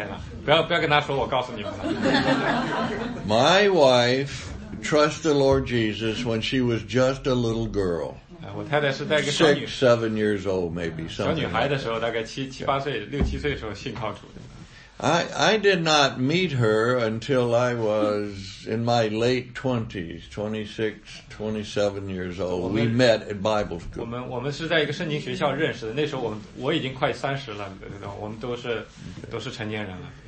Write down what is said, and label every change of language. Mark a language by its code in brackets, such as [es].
[zh] 这是我的一个真实的故事，我太太了，不要跟她说我告诉你们了。 [en] My wife trust the Lord Jesus when she was just a little girl. 6-7 years old, maybe something. [zh] 小女孩的时候，大概七八岁、六七岁时候信靠主的。 [en] I did not meet her until I was in my late 20s, 26, 27 years old. We met at Bible school. [zh] 我们是在一个圣经学校认识的。那时候我们已经快三十了，我们都是成年人了。